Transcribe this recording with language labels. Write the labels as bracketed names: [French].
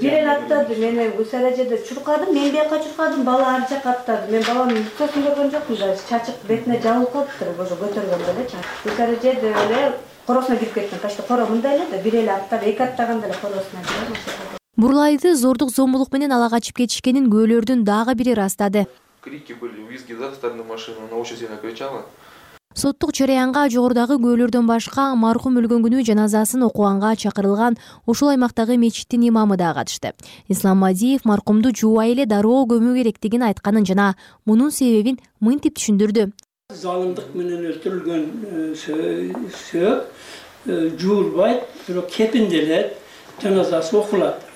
[Kyrgyz] Бир эле аттады, мени ушул эле жерде чуркадым, мен бияка чуркадым, бала ар жакка аттады. Мен баланын үстөсүн көргөн жокмун да, чачык бетине жабылып калыптыр, боже, көтөргөндө эле чачы. Ушул эле жерде эле короосуна кирип кеткен, почти коромунда эле да, бир эле аттады, эки аттаганда эле короосуна кирип кеткен. Бурулайды зордук зомбулук менен ала качып кетишкенин күбөлөрдүн дагы бири ырастады. [Russian] Крики были, визги за стороны машины, она очень сильно кричала. [Kyrgyz] Соттук жараянга жогорудагы күбөлөрдөн башка маркум өлгөн күнү жаназасын окуганга чакырылган ушул аймактагы мечиттин имамы да катышты. Ислам Мадиев маркумду жуубай эле дароо көмүү керектигин айтканын жана мунун себебин мынтип түшүндүрдү. Залымдык менен өлтүрүлгөн сөөк жуулбайт, бирок кепинделет, жаназасы окулат.